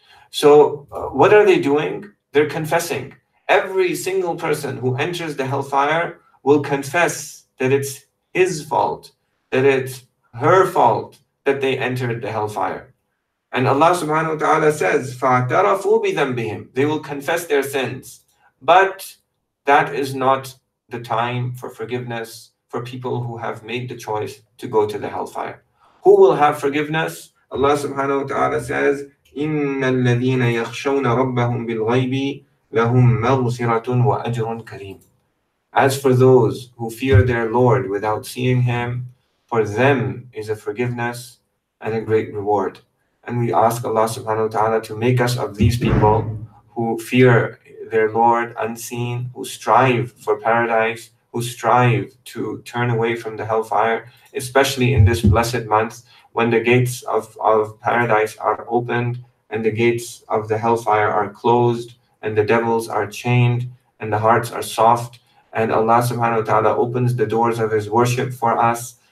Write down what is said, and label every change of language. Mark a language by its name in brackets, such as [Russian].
[English] So what are they doing? They're confessing. Every single person who enters the hellfire will confess that it's his fault, that it's her fault that they entered the hellfire. And Allah subhanahu wa ta'ala says, [Arabic] فَاعْتَرَفُوا بِذَنْبِهِمْ. [English] They will confess their sins. But that is not the time for forgiveness for people who have made the choice to go to the hellfire. Who will have forgiveness? Allah subhanahu wa ta'ala says, [Arabic] إِنَّ الَّذِينَ يَخْشَوْنَ رَبَّهُمْ بِالْغَيْبِ لَهُمْ مَغْفِرَةٌ وَأَجْرٌ كَرِيمٌ. [English] As for those who fear their Lord without seeing Him, for them is a forgiveness and a great reward. And we ask Allah subhanahu wa ta'ala to make us of these people who fear their Lord unseen, who strive for paradise, who strive to turn away from the hellfire, especially in this blessed month when the gates of paradise are opened and the gates of the hellfire are closed and the devils are chained and the hearts are soft and Allah subhanahu wa ta'ala opens the doors of His worship for us.